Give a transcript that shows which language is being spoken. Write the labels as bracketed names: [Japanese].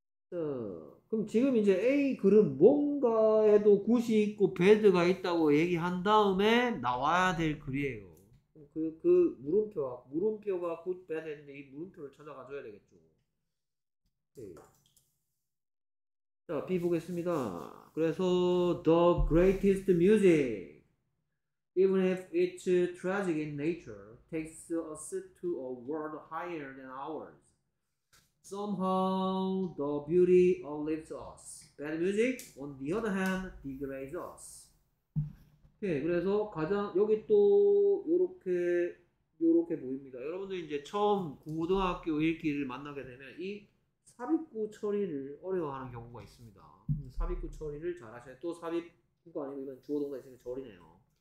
[Korean] 그럼 지금 이제 A 글은 뭔가에도 굿이 있고 배드가 있다고 얘기한 다음에 나와야 될 글이에요. 그 물음표가 굿, 배드인데 이 물음표를 찾아가줘야 되겠죠. 네. 자, B 보겠습니다. [English] 그래서 The greatest music, even if it's tragic in nature, takes us to a world higher than ours. Somehow the beauty uplifts us. Bad music, on the other hand, degrades us. [Korean] 네, 그래서 가장 여기 또 요렇게 보입니다. 여러분들 이제 처음 고등학교 읽기를 만나게 되면 이 삽입구 처리를 어려워하는 경우가 있습니다. 삽입구 처리를 잘 하셔야 또 삽입구가 아니고 이건 주어 동사 있으니까 절이네요.